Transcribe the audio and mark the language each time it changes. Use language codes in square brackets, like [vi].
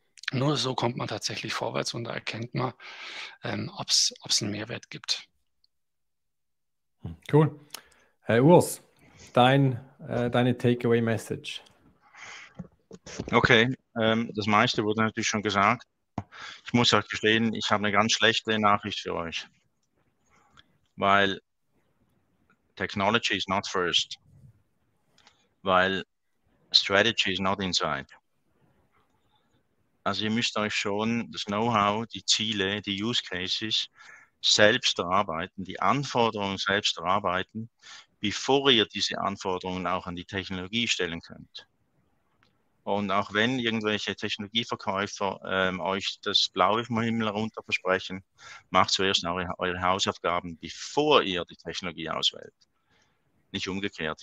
[de] Nur so kommt man tatsächlich vorwärts und da erkennt man, ob es einen Mehrwert gibt. Cool. Herr Urs, deine Takeaway-Message. Okay, das meiste wurde natürlich schon gesagt. Ich muss euch gestehen, ich habe eine ganz schlechte Nachricht für euch. Weil [en] Technology is not first. [de] Weil [en] Strategy is not inside. [de] Also ihr müsst euch schon das Know-how, die Ziele, die Use Cases selbst erarbeiten, die Anforderungen selbst erarbeiten, bevor ihr diese Anforderungen auch an die Technologie stellen könnt. Und auch wenn irgendwelche Technologieverkäufer euch das Blaue vom Himmel runter versprechen, macht zuerst eure Hausaufgaben, bevor ihr die Technologie auswählt. Nicht umgekehrt.